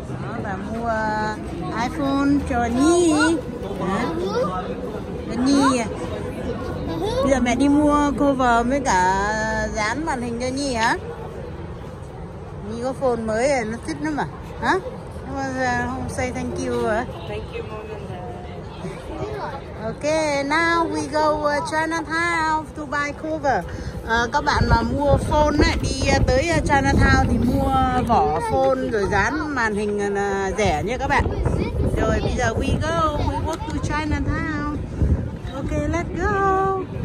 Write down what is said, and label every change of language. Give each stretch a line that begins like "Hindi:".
Vietnamese: Đó, và mua iPhone cho Nhi. Đó. Nhi à. Bây giờ mẹ đi mua cover với cả dán màn hình cho Nhi hả? Nhi có phone mới này, nó thích lắm à? Hả? Nhưng mà không
English: say thank you
Vietnamese: hả?
English: Thank you more than that. Okay, now we go Chinatown to buy cover.
Vietnamese: Các bạn mà mua phone ấy, đi tới Chinatown thì mua vỏ phone rồi dán màn hình rẻ nha các bạn. Rồi bây giờ
English: we go, we walk to Chinatown. Okay, let's go.